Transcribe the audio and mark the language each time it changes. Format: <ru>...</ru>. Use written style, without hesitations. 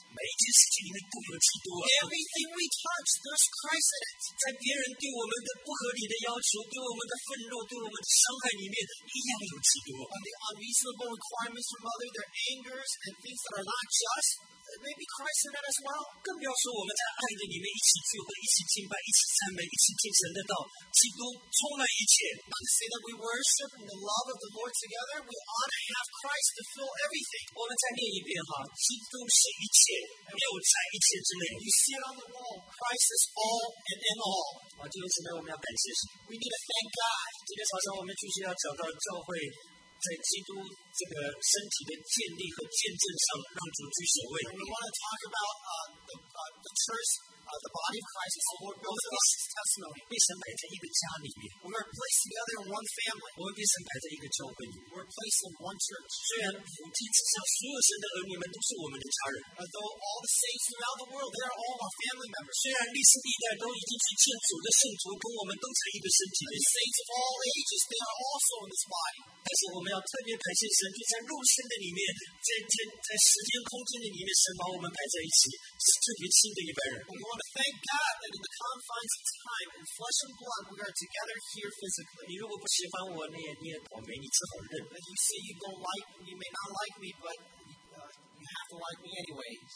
<en>Everything we touch, there's Christ in it. On the unreasonable requirements from others, their angers and things that are not just, maybe Christ in that as well.</en> <zh>更不要说我们在爱的里面一起只有一起敬拜、一起赞美、一起听神的道，基督充满一切。But</zh> <en>to say that we worship in the love of the Lord together, we ought to have Christ to fill everything.</en> <zh>我们再念一遍哈，基督是一切，没有在一切之内。</zh> <en>You see it on the wall. Christ is all and in all.</en> <zh>啊，今天神呢，我们要感谢神。We</zh> <en>need to thank God.</en> <zh>今天早上我们继续要找到教会。在基督这个身体的建立和见证上，让主居首位。</zh> <en>We want to talk about the church, the body of Christ, the Lord builds up His testimony.</en> <zh>被神摆在一个家里面。</zh> <en>We are placed together in one family.</en> <zh>我们被神摆在一个教会里。</zh> <en>We are placed in one church.</en> <zh>虽然普天之下所有神的儿女们都是我们的家人。</zh> <en>Although all the saints throughout the world, they are all our family members.</en> <zh>虽然历史历代都已经是天主的圣徒，跟我们都在一个身体里。</zh> <en>The saints of all ages, they are also in this body.</en> <zh>但是我们要特别感谢神，就在肉身的里面，在天，在时间空间的里面，神把我们排在一起，是特别亲的一般人。</zh> <en>We want to thank God that in the confines of time and flesh and blood, we are together here physically.</en> <zh>你如果不喜欢我，你也倒霉，你只好认。</zh> <en>If you say you don't like, you may not like me, but you have to like me anyway.</en>